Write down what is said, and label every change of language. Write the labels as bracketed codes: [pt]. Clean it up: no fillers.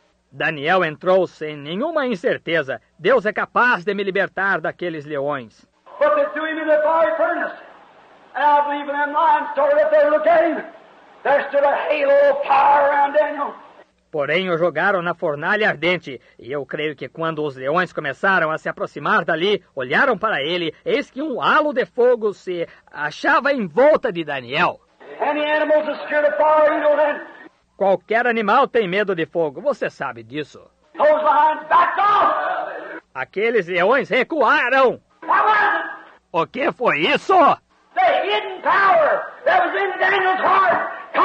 [pt] Daniel entrou sem nenhuma incerteza. Deus é capaz de me libertar daqueles leões. [en] But they threw him in the fire furnace. And I believe in them lions started up there looking. There stood a halo of power around Daniel. [pt] Porém, o jogaram na fornalha ardente. E eu creio que quando os leões começaram a se aproximar dali, olharam para ele, eis que um halo de fogo se achava em volta de Daniel. [en] Any animals are scared of fire, you know that? [pt] Qualquer animal tem medo de fogo, você sabe disso. [en] Those lions backed off. [pt] Aqueles leões recuaram. [en] What was it? [pt] O que foi isso? [en] The hidden power that was in Daniel's heart.